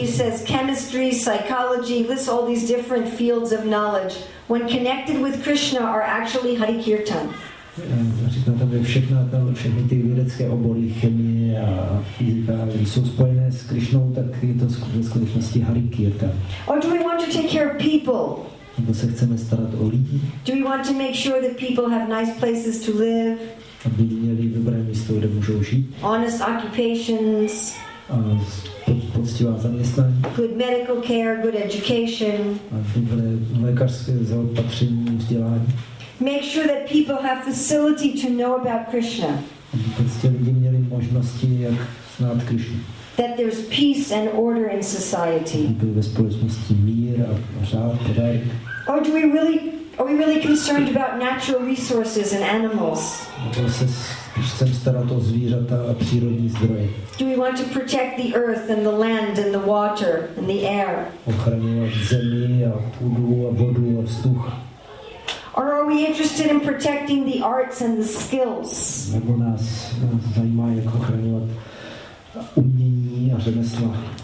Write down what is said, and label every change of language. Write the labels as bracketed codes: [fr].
[en] he says chemistry, psychology, lists all these different fields of knowledge, when connected with Krishna, are actually Hari Kirtan. [cs] Říkám, tam je všechny ty vědecké obory, chemie a fyzika, jsou spojené s Krišnou, tak je to ve skutečnosti Hari Kirtan. [en] Or do we want to take care of people? [cs] Nebo se chceme starat o lidi? [en] Do we want to make sure that people have nice places to live? [cs] Aby měli dobré místo, kde můžou žít? [en] Honest occupations. [cs] Poctivá zaměstnání. [en] Good medical care, good education. [cs] A dobré lékařské zaopatření, vzdělání. [en] Make sure that people have facility to know about Krishna. [cs] Aby lidi měli možnosti, jak znát Krishnu. [en] That there's peace and order in society. [cs] Aby ve společnosti mír a řád, pořádek. [en] Or do we really, are we really concerned about natural resources and animals? [cs] Nebo se chceme starat o zvířata a přírodní zdroje. [en] Do we want to protect the earth and the land and the water and the air? [cs] Ochraňovat zemi a půdu a vodu a vzduch. [en] Or are we interested in protecting the arts and the skills? [cs] Nebo nás zajímá, jak ochraňovat umění a řemesla.